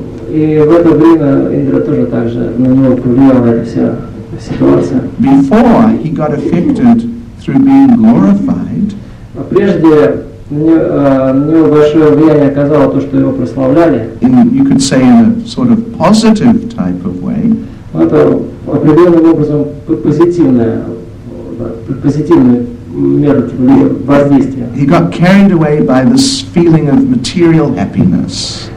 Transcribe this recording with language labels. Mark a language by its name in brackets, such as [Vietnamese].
[Russian] И в это время Индра тоже так же на него повлияла эта вся ситуация. [English] Before he got affected through being glorified. [Russian] Прежде на него большое влияние оказало то, что его прославляли. [English] In, you could say in a sort of positive type of way. [Russian] Это определенным образом позитивное. [English] He got carried away by this feeling of material happiness.